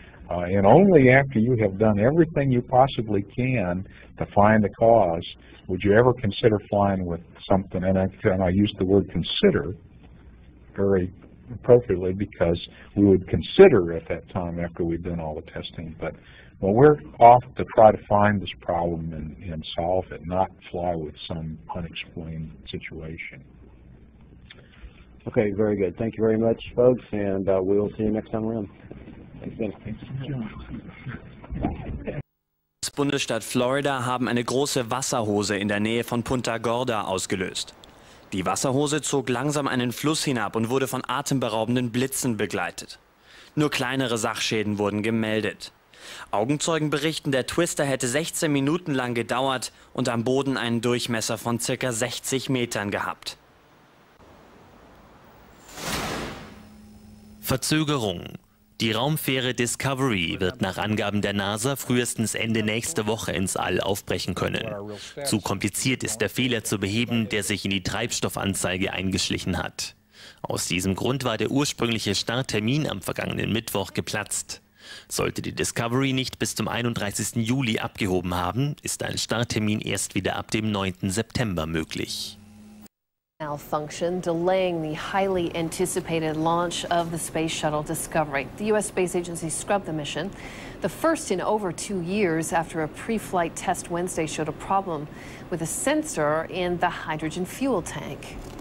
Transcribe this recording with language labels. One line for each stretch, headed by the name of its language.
English: And only after you have done everything you possibly can to find the cause would you ever consider flying with something, and I use the word consider very appropriately because we would consider at that time after we've done all the testing. But well, we're off to try to find this problem and solve it, not fly with some unexplained situation. Okay, very good. Thank you very much, folks, and we'll see you next time around. Thanks.
German: Bundesstaat Florida haben eine große Wasserhose in der Nähe von Punta Gorda ausgelöst. Die Wasserhose zog langsam einen Fluss hinab und wurde von atemberaubenden Blitzen begleitet. Nur kleinere Sachschäden wurden gemeldet. Augenzeugen berichten, der Twister hätte 16 Minuten lang gedauert und am Boden einen Durchmesser von ca. 60 Metern gehabt. Verzögerung. Die Raumfähre Discovery wird nach Angaben der NASA frühestens Ende nächste Woche ins All aufbrechen können. Zu kompliziert ist der Fehler zu beheben, der sich in die Treibstoffanzeige eingeschlichen hat. Aus diesem Grund war der ursprüngliche Starttermin am vergangenen Mittwoch geplatzt. Sollte die Discovery nicht bis zum 31. Juli abgehoben haben, ist ein Starttermin erst wieder ab dem 9. September möglich.
English: Malfunction delaying the highly anticipated launch of the Space Shuttle Discovery. The U.S. Space Agency scrubbed the mission, the first in over 2 years after a pre-flight test Wednesday showed a problem with a sensor in the hydrogen fuel tank.